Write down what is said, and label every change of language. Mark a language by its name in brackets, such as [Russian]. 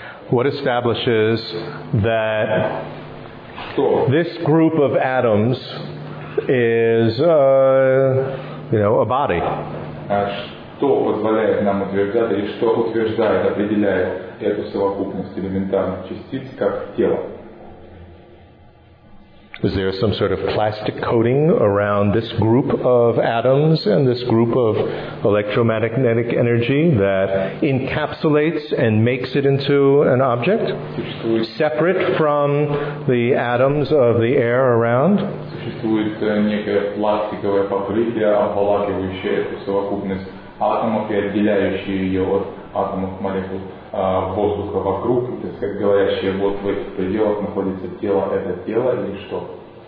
[English] What establishes that this group of atoms is, you know, a body? [Russian] Что позволяет нам утверждать, или что утверждает, определяет эту совокупность элементарных частиц как тело? [English] Is there some sort of plastic coating around this group of atoms and this group of electromagnetic energy that encapsulates and makes it into an object, separate from the atoms of the air around? [Russian] Существует некая пластиковая покрытие, обволакивающее эту совокупность атомов и отделяющие ее от атомов молекул воздуха вокруг, так сказать, говорящие, вот в этих пределах находится тело, это тело или что?